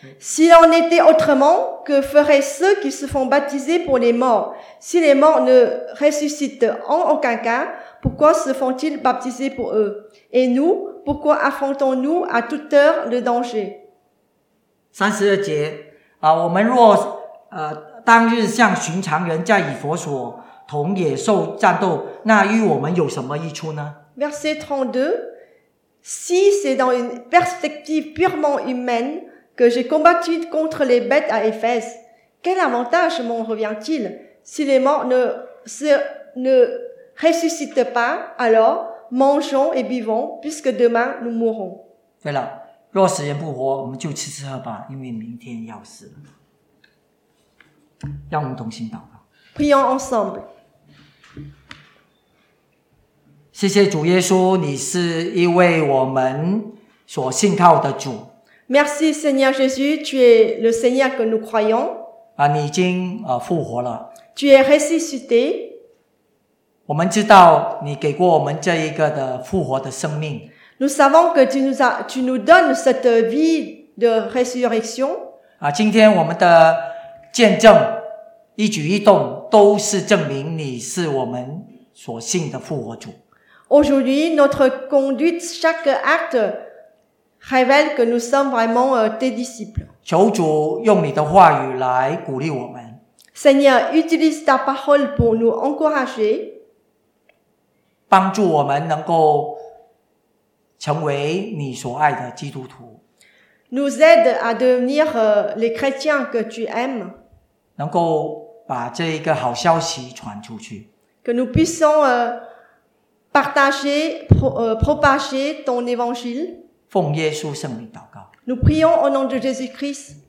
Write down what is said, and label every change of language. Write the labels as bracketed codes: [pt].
[fr] Si l'on était autrement, que feraient ceux qui se font baptiser pour les morts? Si les morts ne ressuscitent en aucun cas, pourquoi se font-ils baptiser pour eux? Et nous, pourquoi affrontons-nous à toute heure le danger? [zh] 三十二节我们若当日像寻常人在以弗所同野兽战斗那与我们有什么益处呢 [fr] Verset 32 Si c'est dans une perspective purement humaine que j'ai combattu contre les bêtes à Éphèse, quel avantage m'en revient-il? Si les morts ne ressuscitent pas, alors mangeons et buvons, puisque demain nous mourrons. [zh] 对了，若死人不活，我们就吃吃喝吧，因为明天要死了。让我们同心祷告。 [fr] Prions ensemble。 [zh] 谢谢主耶稣，你是一位我们所信靠的主。 [fr] Merci Seigneur Jésus, tu es le Seigneur que nous croyons. [zh] 啊，你已经复活了。 [fr] Tu es ressuscité. [zh] 我们知道你给过我们这一个的复活的生命。 [fr] Nous savons que tu nous donnes cette vie de résurrection. [zh] 啊，今天我们的见证，一举一动都是证明你是我们所信的复活主。 [fr] Aujourd'hui, notre conduite, chaque acte révèle que nous sommes vraiment tes disciples. [zh] 求主用你的话语来鼓励我们。 [fr] Seigneur, utilise ta parole pour nous encourager. [zh] 帮助我们能够成为你所爱的基督徒。 [fr] Nous aide à devenir les chrétiens que tu aimes. [zh] 能够把这一个好消息传出去。 [fr] Que nous puissions propager ton évangile. [zh] 奉耶稣圣名祷告。 [fr] Nous prions au nom de Jésus-Christ.